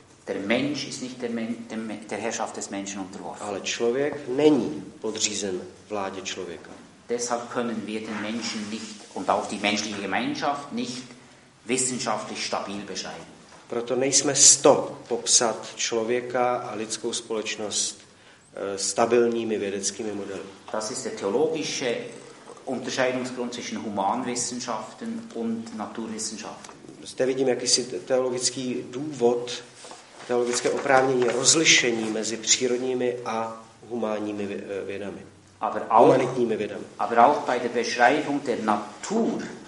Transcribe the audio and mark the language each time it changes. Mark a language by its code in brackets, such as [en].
[de] Der Mensch ist nicht der Herrschaft des Menschen unterworfen. [cs] Ale člověk není podřízen vládě člověka. [de] Deshalb können wir den Menschen nicht und auch die menschliche Gemeinschaft nicht wissenschaftlich stabil beschreiben. [cs] Proto nejsme sto popsat člověka a lidskou společnost stabilními vědeckými modely. [de] Das ist der theologische Unterscheidungsgrund zwischen Humanwissenschaften und Naturwissenschaften. [cs] Zde vidím jakýsi teologický důvod, teologické oprávnění rozlišení mezi přírodními a humánními vědami. [de] Aber auch, [cs] humanitními vědami. [de] Aber auch bei der Beschreibung der Natur,